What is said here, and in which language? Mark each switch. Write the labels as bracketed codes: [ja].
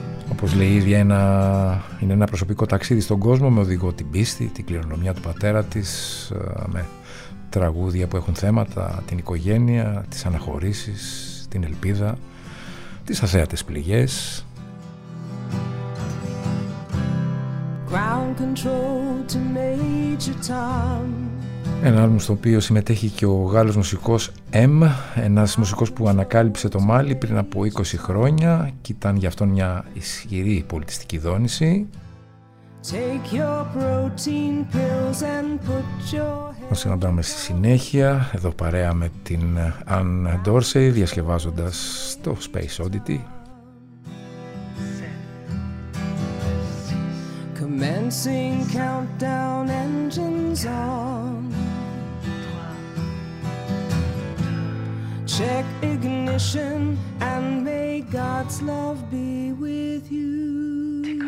[el] Όπως λέει η ίδια, είναι ένα προσωπικό ταξίδι στον κόσμο με οδηγό την πίστη, την κληρονομιά του πατέρα της, με τραγούδια που έχουν θέματα, την οικογένεια, τις αναχωρήσεις, την ελπίδα, τις αθέατες πληγές. [en] Ground control to Major Tom. [el] Ένα άλμπουμ στο οποίο συμμετέχει και ο Γάλλος μουσικός M, ένας μουσικός που ανακάλυψε το Μάλι πριν από 20 χρόνια και ήταν γι' αυτόν μια ισχυρή πολιτιστική δόνηση. [en] Take your protein pills and put your... [el] Να συναντάμε στη συνέχεια, εδώ παρέα με την Anne Dorsey, διασκευάζοντας το Space Oddity. [en] Commencing countdown, engines on. Check ignition and may God's love be with you.